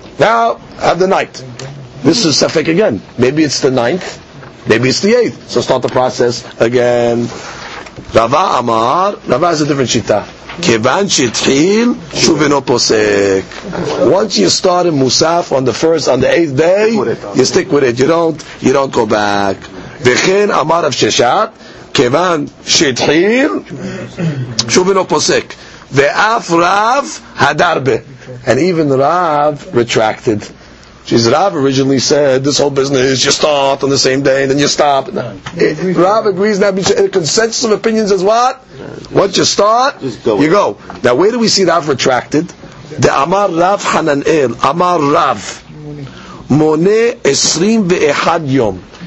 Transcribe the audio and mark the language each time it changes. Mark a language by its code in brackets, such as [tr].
[en] Now, have the ninth. This is Safek again. Maybe it's the ninth, maybe it's the eighth. So start the process again. Rava Amar, Rava is a different shita. [he] Kevan Shitchil, Shuvino Posek. [en] Once you start in Musaf on the first, on the eighth day, you stick with it. You don't go back. [he] וכן אמר רב ששת, כיוון שהתחיל, שוב אינו פוסק, ואף רב הדר בה. [en] And even Rav retracted. She's Rav originally said, this whole business, you start on the same day, and then you stop. Rav agrees now, the consensus of opinions is what? Once you start, you go. Now where do we see Rav retracted? [he] The Amar Rav Hananel, Amar Rav, Mone 21 Yom.